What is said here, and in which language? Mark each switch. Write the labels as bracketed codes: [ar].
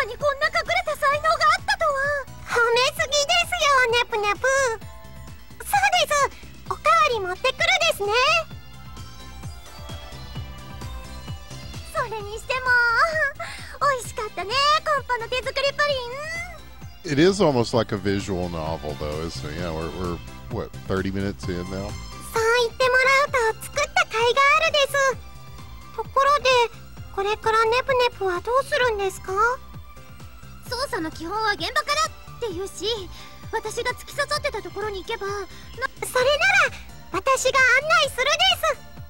[ja] にこんな隠れた才能があったとは。褒めすぎですよ、ネプネプ。そうです、おかわり持ってくるですね。それにしても美味しかったね、コンパの手作りプリン。 [en] It is almost like a visual novel though, isn't it? Yeah, we're what, 30 minutes in now? [ja] そう言ってもらうと作った甲斐があるです。ところでこれからネプネプはどうするんですか？操作の基本は現場からっていうし、私が突き刺さってたところに行けば。それなら私が案内するです。